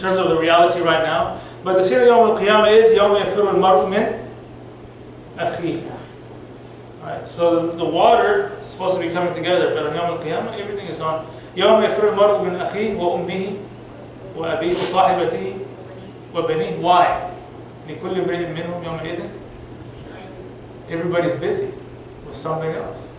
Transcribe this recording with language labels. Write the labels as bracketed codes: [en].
[en] In terms of the reality right now. But the scene in Yawm al-Qiyamah is [ar] Yawm yafiru al-mar'u min akhi. [en] Right? So the water is supposed to be coming together, but on Yawm al-Qiyamah, everything is gone. [ar] يوم يفر المرء من أخيه وأمه وأبيه وصاحبته وبنيه. Why? لكل امرئ منهم يومئذ. [en] Everybody's busy with something else.